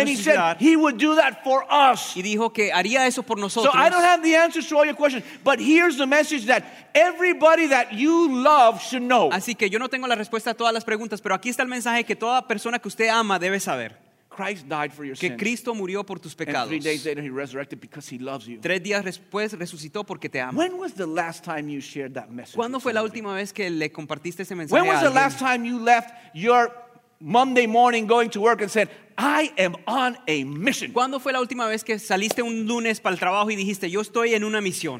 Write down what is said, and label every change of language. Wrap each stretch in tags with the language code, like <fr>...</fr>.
<en>And he said he would do that for us.</en> <es>Y dijo que haría eso por nosotros.</es> <en>So I don't have the answers to all your questions, but here's the message that everybody that you love should know.</en> <es>Así que yo no tengo la respuesta a todas las preguntas, pero aquí está el mensaje que toda persona que usted ama debe saber.</es> <en>Christ died for your</en> <es>que Cristo murió por tus pecados.</es> <en>And 3 days later he resurrected because he loves you.</en> <es>Tres días después resucitó porque te ama.</es> <en>When was the last time you shared that message?</en> <es>¿Cuándo fue la última vez que le compartiste ese mensaje?</es> <en>When was the last time you left your Monday morning going to work and said, I am on a mission?</en> <es>¿Cuándo fue la última vez que saliste un lunes para el trabajo y dijiste, yo estoy en una misión?</es>